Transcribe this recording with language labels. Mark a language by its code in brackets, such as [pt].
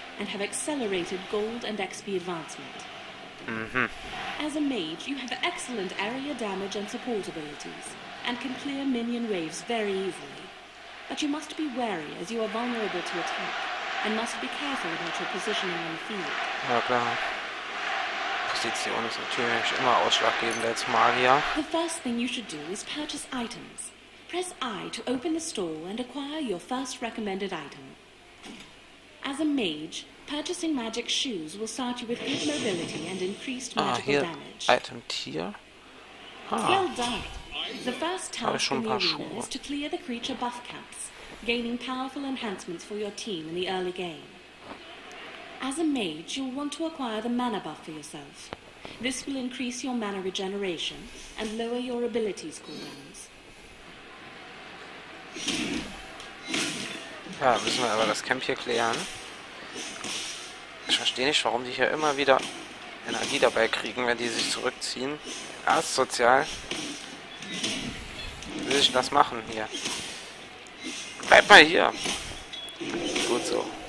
[en] And have accelerated gold and XP advancement. Mm-hmm. As a mage, you have excellent area damage and support abilities, and can clear minion waves very easily. But you must be wary as you are vulnerable to attack, and must be careful about your positioning on the field. [de] Ja, klar. Position ist natürlich immer ausschlaggebend als Magier. [en] The first thing you should do is purchase items. Press I to open the store and acquire your first recommended item. As a mage, purchasing magic shoes will start you with good mobility and increased magical [de] ah, hier, [en] damage. Item tier. Ah. Well done. The first task in the arena [de] Schuhe. [en] Is to clear the creature buff caps, gaining powerful enhancements for your team in the early game. As a mage, you'll want to acquire the mana buff for yourself. This will increase your mana regeneration and lower your abilities cooldowns. [de] Ja, müssen wir aber das Camp hier klären. Ich verstehe nicht, warum die hier immer wieder Energie dabei kriegen, wenn die sich zurückziehen. Asozial. Wie will ich das machen hier? Bleib mal hier! Gut so.